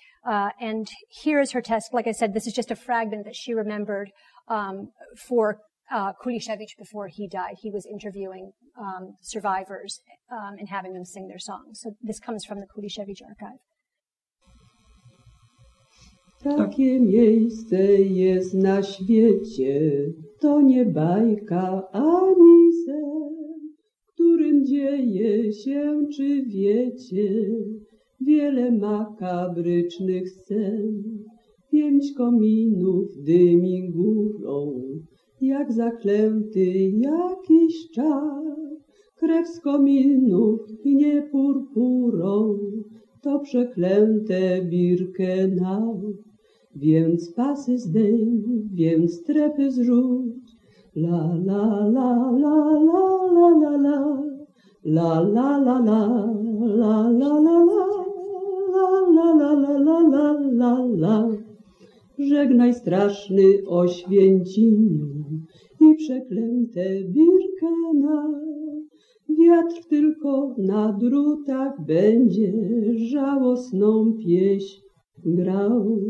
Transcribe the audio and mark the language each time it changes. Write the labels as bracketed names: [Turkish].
[English] And here is her test. Like I said, this is just a fragment that she remembered for Kuliszewicz before he died. He was interviewing survivors and having them sing their songs. So this comes from the Kuliszewicz archive. [Polish] Takie miejsce jest na świecie, to nie bajka ani sen, którym dzieje się, czy wiecie, wiele makabrycznych scen. Pięć kominów dymi górą, jak zaklęty jakiś czar. Krew z kominów gnie purpurą, to przeklęte Birkenau. Więc pasy zdejm, więc strepy zrzuć. La la la la la la la la la la la la la la la la la la la la la la la la. Żegnaj straszny Oświęcimiu i przeklęte Birkenau. Wiatr tylko na drutach będzie żałosną pieśń grał.